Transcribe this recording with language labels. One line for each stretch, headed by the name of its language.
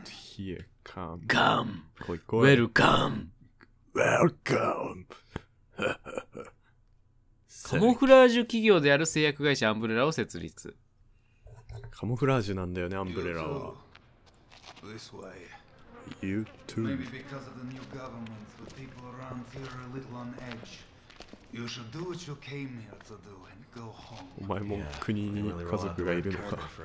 English: Here, come. Come.
Japanese: こいこい。
English: Welcome. Welcome.
Japanese: カモフラージュ企業である製薬会社アンブレラを設立。カモフラージュなんだよねアンブレラは。
English: This way. You too. Maybe because of the new government, the people around here are a little on edge. You should do what you came here to do and go home.
Japanese: お前も国に家族がいるのか。